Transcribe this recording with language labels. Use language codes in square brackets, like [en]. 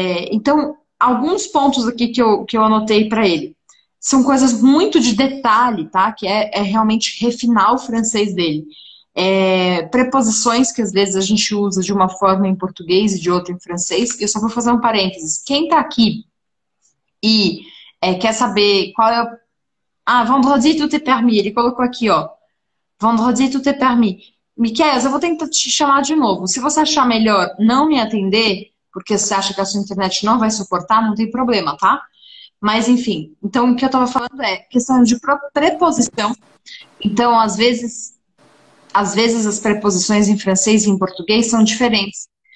[pt] Então, alguns pontos aqui que eu anotei para ele. São coisas muito de detalhe, tá? Que é realmente refinar o francês dele. Preposições que às vezes a gente usa de uma forma em português e de outra em francês. Eu só vou fazer um parênteses. Quem está aqui e quer saber qual é o... [fr] Ah, vendredi, tout est permis. [pt] Ele colocou aqui, ó. [fr] Vendredi, tout est permis. [pt] Miquel, eu vou tentar te chamar de novo. Se você achar melhor não me atender, porque você acha que a sua internet não vai suportar, não tem problema, tá? Mas, enfim. Então, o que eu tava falando é questão de preposição. Então, às vezes as preposições em francês e em português são diferentes.